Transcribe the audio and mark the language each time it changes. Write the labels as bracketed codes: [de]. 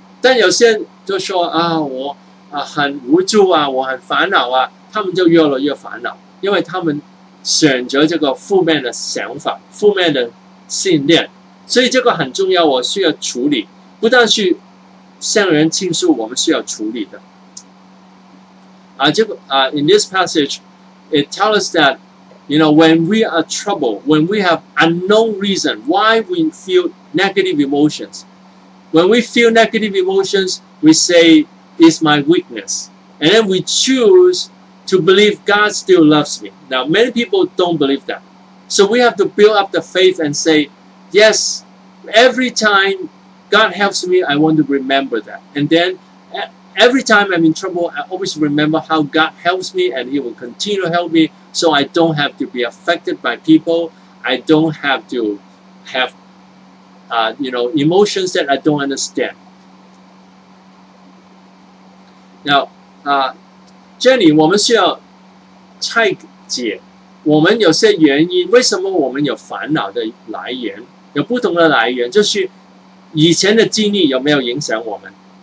[zh] 但有些人就说我很无助啊，我很烦恼啊，他们就越来越烦恼，因为他们选择这个负面的想法，负面的信念，所以这个很重要，我需要处理，不但是向人倾诉，我们需要处理的。 [en] In this passage, it tells us that, you know, when we are troubled, when we have unknown reason why we feel negative emotions, when we feel negative emotions, we say, it's my weakness. And then we choose,to believe God still loves me. Now, many people don't believe that. So we have to build up the faith and say, yes, every time God helps me, I want to remember that. And then every time I'm in trouble, I always remember how God helps me and He will continue to help me, so I don't have to be affected by people. I don't have to have, emotions that I don't understand. Now, [zh] Jenny, 我们需要拆解我们有些原因，为什么我们有烦恼的来源，有不同的来源，就是以前的经历有没有影响我们。